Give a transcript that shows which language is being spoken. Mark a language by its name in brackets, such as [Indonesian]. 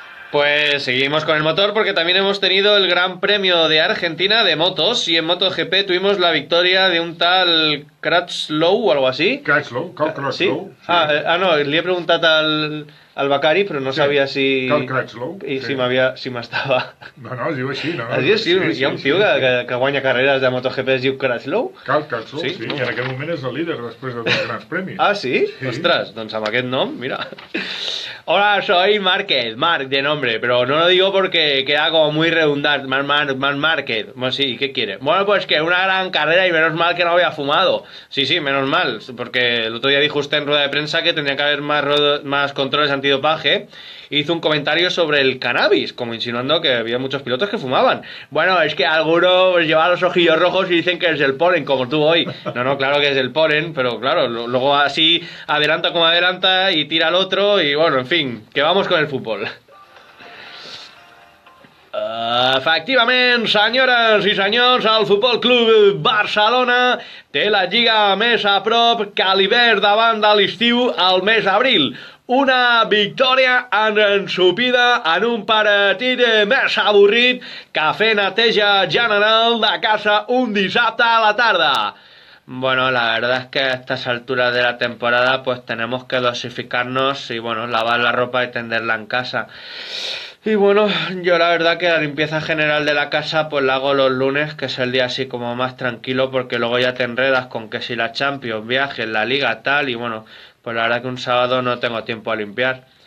[Spanish] Pues seguimos con el motor porque también hemos tenido el Gran Premio de Argentina de motos y en MotoGP tuvimos la victoria de un tal Crutchlow o algo así. Crutchlow. ¿Sí? Ah, no, le he preguntado al Bacari, pero no sabía si... Cal Crutchlow. [Catalan] I si m'havia... si m'estava... No, es diu així, no? Es diu així, hi ha un tio que guanya carreres de MotoGP, es diu Crutchlow. Cal Crutchlow, sí. I en aquest moment és el líder després de dos grans premis. Ah, sí? Ostres, doncs amb aquest nom, mira. [Spanish] Hola, soy Márquez, Marc de nombre, pero no lo digo porque queda como muy redundant, Márquez. Bueno, sí, ¿qué quiere? Bueno, pues que una gran carrera y menos mal que no había fumado. Sí, menos mal, porque el otro día dijo usted en rueda de prensa que tendría que haber más controles anti dopaje, hizo un comentario sobre el cannabis, como insinuando que había muchos pilotos que fumaban. Bueno, es que alguno lleva los ojillos rojos y dicen que es el polen, como tú hoy. No, claro que es el polen, pero claro, luego así adelanta como adelanta y tira al otro y bueno, en fin, que vamos con el fútbol. [Catalan] Efectivament, senyores i senyors, el Futbol Club Barcelona té la lliga més a prop que l'hivern davant de l'estiu al mes d'abril. Una victòria ensopida en un partit més avorrit que fer neteja general de casa un dissabte a la tarda. [Spanish] Bueno, la verdad es que a estas alturas de la temporada pues tenemos que dosificarnos y bueno, lavar la ropa y tenderla en casa. Y bueno, yo la verdad que la limpieza general de la casa pues la hago los lunes, que es el día así como más tranquilo, porque luego ya te enredas con que si la Champions, viajes, la Liga, tal, y bueno, pues la verdad que un sábado no tengo tiempo a limpiar.